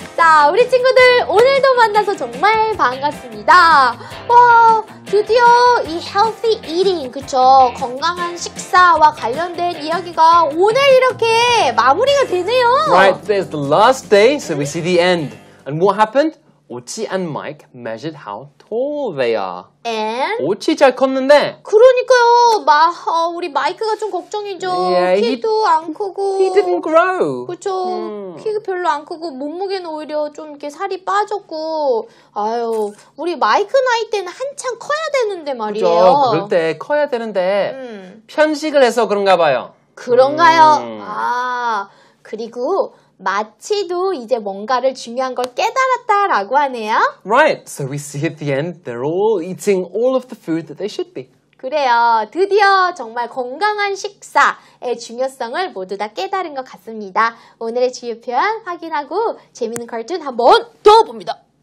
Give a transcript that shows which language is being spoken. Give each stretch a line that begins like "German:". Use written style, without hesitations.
Korean: 자, 우리 친구들 오늘도 만나서 정말 반갑습니다. 와, 드디어 이
English: healthy eating,
Korean: 그쵸? 건강한 식사와 관련된 이야기가 오늘 이렇게 마무리가 되네요.
English: Right, today's the last day, so we see the end. And what happened? Ochi and Mike measured how tall they are. And?
Korean: Ochi 잘 컸는데. 그러니까요. 우리 마이크가 좀 걱정이죠.
English: Yeah,
Korean: 키도 안 크고.
English: He didn't grow.
Korean: 그렇죠. 키 별로 안 크고 몸무게는 오히려 좀 이렇게 살이 빠졌고. 아유, 우리 마이크 나이 때는 한창 커야 되는데 말이에요. 그렇죠. 그럴 때 커야 되는데 편식을 해서 그런가 봐요. 그런가요? 아, 그리고 마치도 이제 뭔가를 중요한 걸 깨달았다라고 하네요.
English: Right, so we see at the end they're all eating all of the food that they should be.
Korean: 그래요. 드디어 정말 건강한 식사의 중요성을 모두 다 깨달은 것 같습니다. 오늘의 주요 표현 확인하고 재밌는 카툰 한번 더 봅니다.